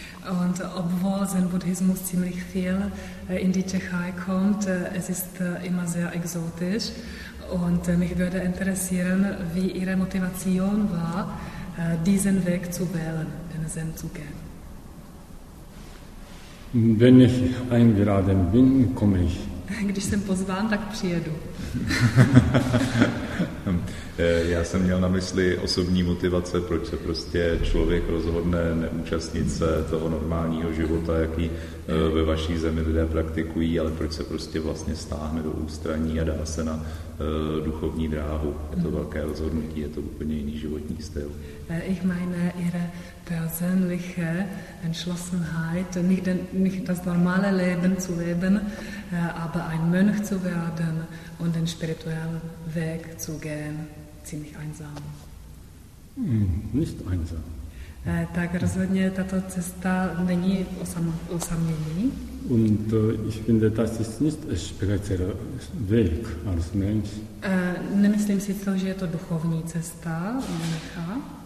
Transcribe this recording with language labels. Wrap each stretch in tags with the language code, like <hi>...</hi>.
<de>Und obwohl Zen Buddhismus ziemlich viel in die Tschechei kommt, es ist immer sehr exotisch. Und mich würde interessieren, wie Ihre Motivation war, diesen Weg zu wählen, den Zen zu gehen. Wenn ich eingeladen bin, komme ich.</de> <cs>Když jsem pozván, tak přijedu. Já jsem měl na mysli osobní motivace, proč se prostě člověk rozhodne neúčastnit se toho normálního života, jaký ve vaší zemi lidé praktikují, ale proč se prostě vlastně stáhne do ústraní a dá se na duchovní dráhu. Je to velké rozhodnutí, je to úplně jiný životní styl.</cs> <de>Ich meine ihre persönliche Entschlossenheit, nicht das normale Leben zu leben, aber ein Mönch zu werden und den spirituellen Weg zu gehen. Ziemlich einsam. Nicht einsam.</de> <cs>Tak rozhodně tato cesta není osamění.</cs> <de>Und ich finde, das ist nicht spiritueller Weg als Mensch.</de> <cs>Nemyslím si to, že je to duchovní cesta, Mönche.</cs>